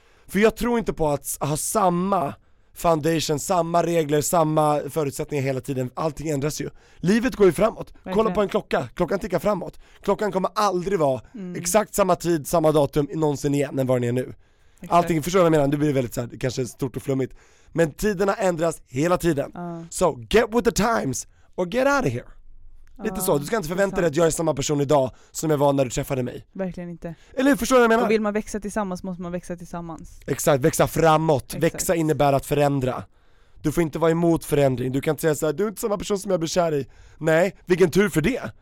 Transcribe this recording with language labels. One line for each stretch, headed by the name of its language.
Swedish: För jag tror inte på att ha samma foundation, samma regler, samma förutsättningar hela tiden. Allting ändras ju. Livet går ju framåt. Verkligen. Kolla på en klocka. Klockan tickar framåt. Klockan kommer aldrig vara exakt samma tid, samma datum någonsin igen än vad den är nu. Exakt. Allting, förstår du vad jag menar? Du blir väldigt så här, kanske stort och flummigt. Men tiderna ändras hela tiden.
English: So get with the times or get out of here.
Swedish: Lite så, du ska inte förvänta dig att jag är samma person idag som jag var när du träffade mig. Verkligen inte. Eller förstår du vad jag menar? Och vill man växa tillsammans måste man växa tillsammans. Exakt, växa framåt. Exakt. Växa innebär att förändra. Du får inte vara emot förändring. Du kan inte säga så här, du är inte samma person som jag blir kär i. Nej, vilken tur för det.